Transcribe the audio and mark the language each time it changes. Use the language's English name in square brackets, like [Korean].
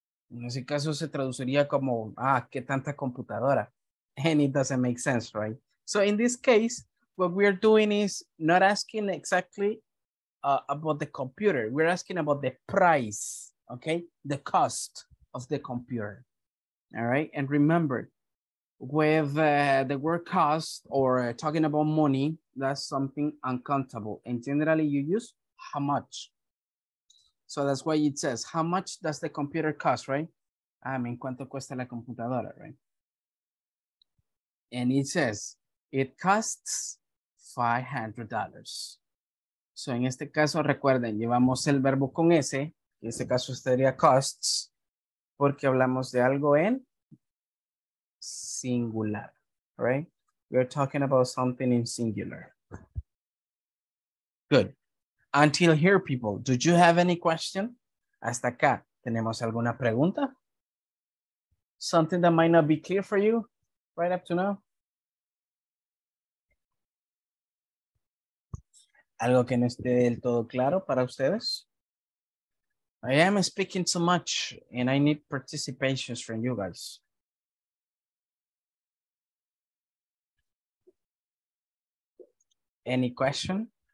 [Spanish] En ese caso se traduciría como, ah, qué tanta computadora. [English] And it doesn't make sense, right? So in this case, what we are doing is not asking exactly about the computer. We're asking about the price, okay? The cost of the computer. All right, and remember, with the word cost or talking about money, that's something uncountable. And generally you use how much. So that's why it says, how much does the computer cost, right? I mean, [Spanish] ¿cuánto cuesta la computadora, [English] right? And it says, it costs $500. [Spanish] So en este caso, recuerden, llevamos el verbo con S, en este caso sería costs, porque hablamos de algo en singular, right? [English] We're talking about something in singular. Good. Until here, people, do you have any question? [Spanish] Hasta acá, ¿tenemos alguna pregunta? [English] Something that might not be clear for you right up to now? [Spanish] ¿Algo que no esté del todo claro para ustedes? [English] I am speaking too much and I need participations from you guys. Any question?